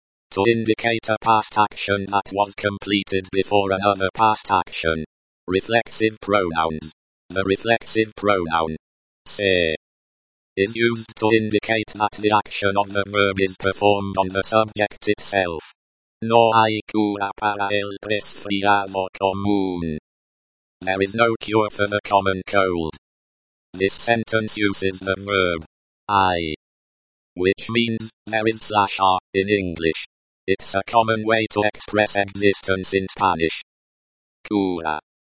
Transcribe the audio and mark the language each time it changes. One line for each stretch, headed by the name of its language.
English: To indicate a past action that was completed before another past action. Reflexive pronouns. The reflexive pronoun.
Spanish: Se.
English: Is used to indicate that the action of the verb is performed on the subject itself.
Spanish: No hay cura para el resfriado común.
English: There is no cure for the common cold. This sentence uses the verb
Spanish: hay,
English: which means there is slash are in English. It's a common way to express existence in Spanish.
Spanish: Cura